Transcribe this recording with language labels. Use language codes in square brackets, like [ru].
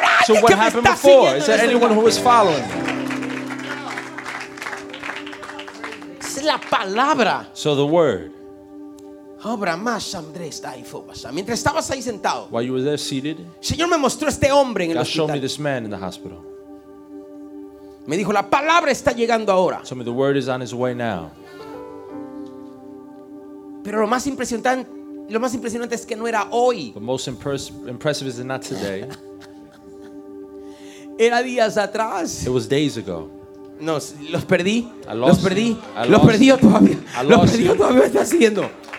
[en] So what happened before? Is there anyone who was following? [es] Es la palabra. [en] So the word. [es] Mientras estabas ahí sentado. [en] While you were there seated. [es] Señor me mostró este hombre en el hospital. [en] God showed me this man in the hospital. [es] Me dijo la palabra está llegando ahora. [en] So the word is on its way now. [es] Pero lo más impresionante es que no era hoy. [en] But most impressive is not today. [es] Era días atrás. [en] It was days ago. [es] No, los perdí. Los perdí todavía. Me está siguiendo.